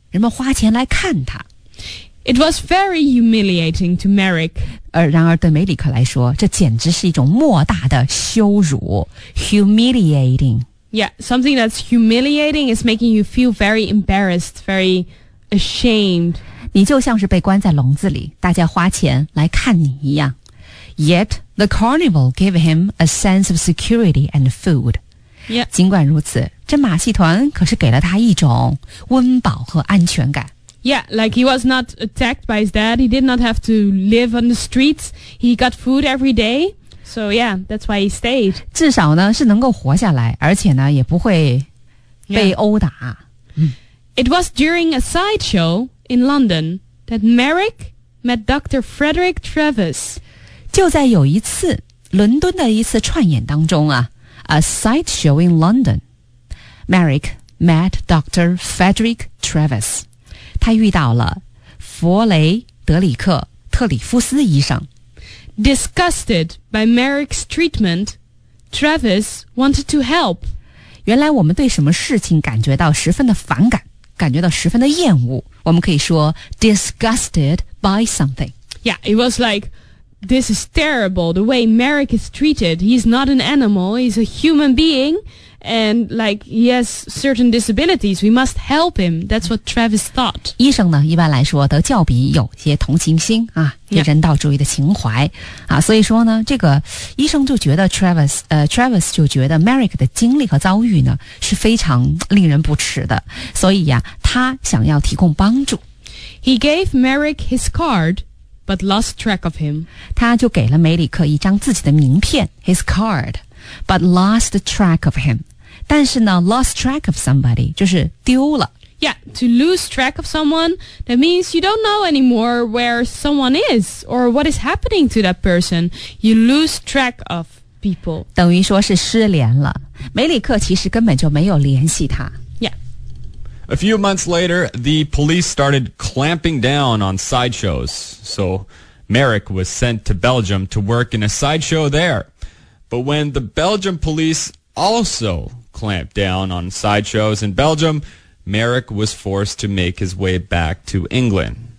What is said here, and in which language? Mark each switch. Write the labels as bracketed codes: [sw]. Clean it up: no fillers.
[zh] 人们花钱来看他。 [en] It was very humiliating to Merrick. [zh] 然而对梅里克来说这简直是一种莫大的羞辱 Humiliating. [en] Yeah, something that's humiliating is making you feel very embarrassed, very ashamed. [zh] 你就像是被关在笼子里大家花钱来看你一样。 [en] Yet, the carnival gave him a sense of security and food. Yeah. [zh] 尽管如此这马戏团可是给了他一种温饱和安全感。 [en] Yeah, like he was not attacked by his dad. He did not have to live on the streets. He got food every day. So yeah, that's why he stayed. [zh] 至少呢是能够活下来，而且呢也不会被殴打。 [en] Yeah. It was during a sideshow in London that Merrick met Dr. Frederick Travis. [zh] 就在有一次伦敦的一次串演当中啊 , [en] a sideshow in London, Merrick met Dr. Frederick Travis. [zh] 他遇到了弗雷德里克·特里夫斯医生。 [en] Disgusted by Merrick's treatment, Travis wanted to help. [zh] 原来我们对什么事情感觉到十分的反感，感觉到十分的厌恶，我们可以说 [en] disgusted by something. Yeah, it was like, this is terrible, the way Merrick is treated. He's not an animal, he's a human being, and like, he has certain disabilities, we must help him. That's what Travis thought. [zh] 医生呢，一般来说都较比有些同情心啊，有人道主义的情怀、yeah. 啊，所以说呢，这个医生就觉得 Travis 就觉得 Merrick 的经历和遭遇呢，是非常令人不齿的，所以呀、啊，他想要提供帮助。 [en] He gave Merrick his card, but lost track of him. [zh] 他就给了梅里克一张自己的名片 , [en] his card, but lost track of him. [zh] 但是呢 , [en] lost track of somebody, [zh] 就是丢了。 [en] Yeah, to lose track of someone, that means you don't know anymore where someone is, or what is happening to that person. You lose track of people. [zh] 等于说是失联了。梅里克其实根本就没有联系他。 [en] A few months later, the police started clamping down on sideshows, so Merrick was sent to Belgium to work in a sideshow there. But when the Belgium police also clamped down on sideshows in Belgium, Merrick was forced to make his way back to England.